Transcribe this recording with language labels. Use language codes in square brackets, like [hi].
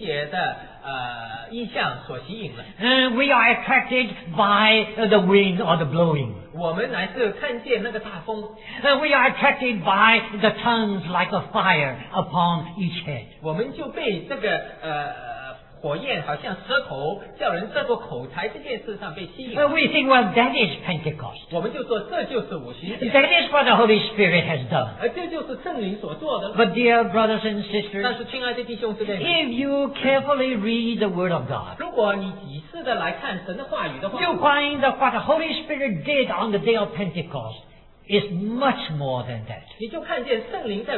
[zh] 你知道我们今天都被五旬节的声音、五旬节的意象所吸引了。 [en] We are attracted by the wind or the blowing. [zh] 我们乃是看见那个大风。 [en] We are attracted by the tongues like a fire upon each head. [zh] 我们就被这个火焰好像舌头叫人遮过口才这件事上被吸引。 [en] We think, well, that is Pentecost. [zh] 我们就说这就是五旬节。 [en] That is what the Holy Spirit has done. [zh] 这就是圣灵所做的。 [en] But dear brothers and sisters, [zh] 但是亲爱的弟兄姊妹, [en] if you carefully read the Word of God, [zh] 如果你仔细地来看神的话语的话, [en] you find that what the Holy Spirit did on the day of Pentecost is much more than that.